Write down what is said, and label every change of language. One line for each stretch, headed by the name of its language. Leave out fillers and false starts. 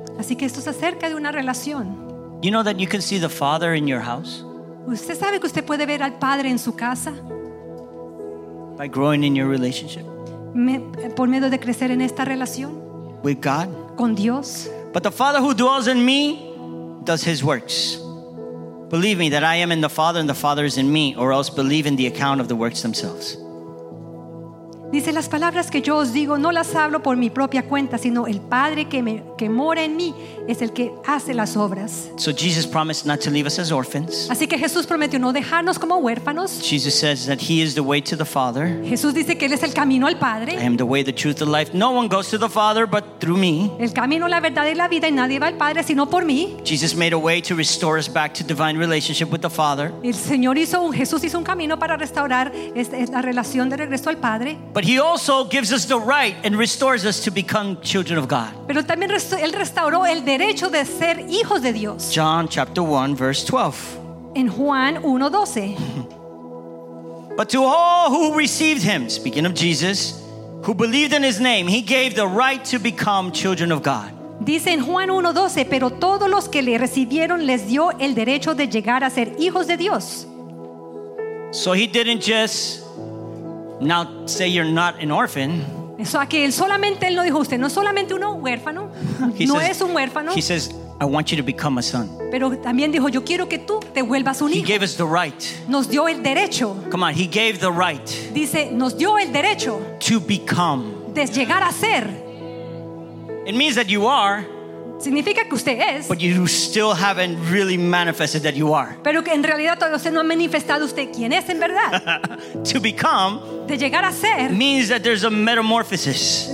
Spanish: Así que esto es acerca de una relación.
English: You know that you can see the Father in your house?
Spanish: ¿Usted sabe que usted puede ver al Padre en su casa?
English: By growing in your relationship.
Spanish: Por medio de crecer en esta relación.
English: With God.
Spanish: Con Dios.
English: But the Father who dwells in me does his works. Believe me that I am in the Father and the Father is in me, or else believe in the account of the works themselves.
Spanish: Dice, las palabras que yo os digo no las hablo por mi propia cuenta, sino el Padre que mora en mí es el que hace las obras.
English: So Jesus promised not to leave us as orphans.
Spanish: Así que Jesús prometió no dejarnos como huérfanos.
English: Jesus says that he is the way to the Father.
Spanish: Jesús dice que él es el camino al Padre.
English: I am the way, the truth, the life. No one goes to the Father but through me.
Spanish: El camino, la verdad y la vida, y nadie va al Padre sino por mí.
English: Jesus made a way to restore us back to divine relationship with the Father.
Spanish: El Señor hizo, Jesús hizo un camino para restaurar la relación de regreso al Padre.
English: But he also gives us the right and restores us to become children of God.
Spanish: Pero también él restauró el derecho de ser hijos de Dios.
English: John chapter 1 verse 12.
Spanish: En Juan 1:12.
English: But to all who received him, speaking of Jesus, who believed in his name, he gave the right to become children of God.
Spanish: Dice en Juan 1:12, pero todos los que le recibieron les dio el derecho de llegar a ser hijos de Dios.
English: So he didn't just now say you're not an orphan.
Spanish: Eso a que él solamente él lo dijo usted, no solamente uno huérfano, no es un huérfano.
English: He says, I want you to become a son.
Spanish: Pero también dijo, yo quiero que tú te vuelvas un hijo.
English: He gave us the right.
Spanish: Nos dio el derecho.
English: Come on, he gave the right.
Spanish: Dice, nos dio el derecho.
English: To become.
Spanish: De llegar a ser.
English: It means that you are.
Spanish: significa que usted es.
English: But you still haven't really manifested that you are.
Spanish: Pero que en realidad todavía usted no ha manifestado usted quién es en verdad.
English: To become.
Spanish: De llegar a ser.
English: Means that there's a metamorphosis.